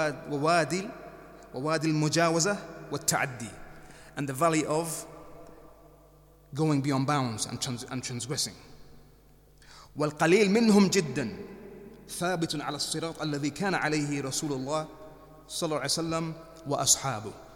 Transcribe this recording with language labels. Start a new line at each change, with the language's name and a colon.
Arabic: ووادي المجاوزة والتعدي.
English: And the valley of going beyond bounds and transgressing.
Arabic: والقليل منهم جدا ثابت على الصراط الذي كان عليه رسول الله صلى الله عليه وسلم وأصحابه.